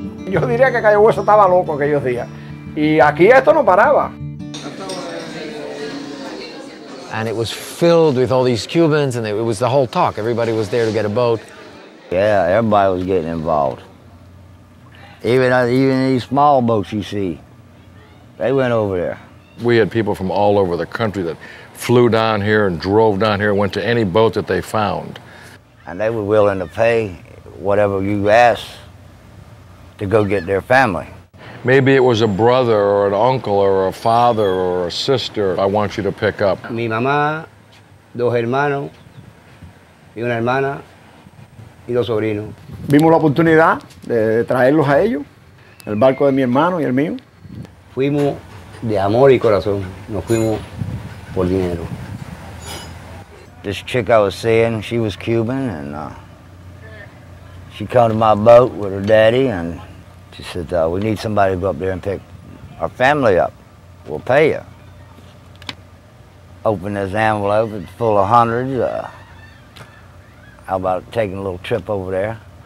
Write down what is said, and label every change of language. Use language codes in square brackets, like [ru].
[es] Yo diría que Cayo Hueso estaba loco aquellos días. Y aquí esto no paraba. [en] And it was filled with all these Cubans, and it was the whole talk. Everybody was there to get a boat. Yeah, everybody was getting involved. Even these small boats you see, they went over there. We had people from all over the country that flew down here and drove down here and went to any boat that they found. And they were willing to pay whatever you asked to go get their family. Maybe it was a brother or an uncle or a father or a sister I want you to pick up. [es] Mi mamá, dos hermanos, y una hermana, y dos sobrinos. Vimos la oportunidad de traerlos a ellos, el barco de mi hermano y el mío. Fuimos de amor y corazón, nos fuimos por dinero. [en] This chick I was seeing, she was Cuban, and she came to my boat with her daddy, and she said, we need somebody to go up there and pick our family up. We'll pay you. Opened this envelope, it's full of hundreds. How about taking a little trip over there?